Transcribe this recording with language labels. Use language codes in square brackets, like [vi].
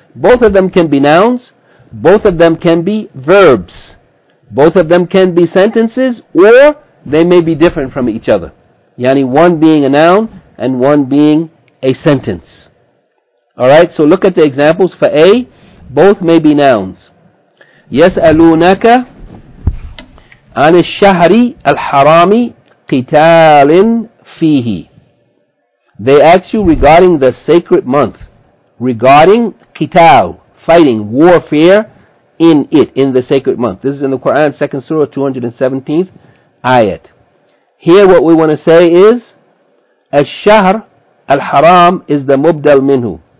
[en] Both of them can be nouns. Both of them can be verbs. Both of them can be sentences, or they may be different from each other. Yani one being a noun and one being a sentence. Alright? So look at the examples. For A, both may be nouns. [ar] Yas'alunaka عن الشهر الحرام قتال فيه. [en] They ask you regarding the sacred month, regarding qital, fighting, warfare in it, in the sacred month. This is in the Quran, 2nd Surah, 217th Ayat. Here what we want to say is, الشهر الحرام is the مبدل منه.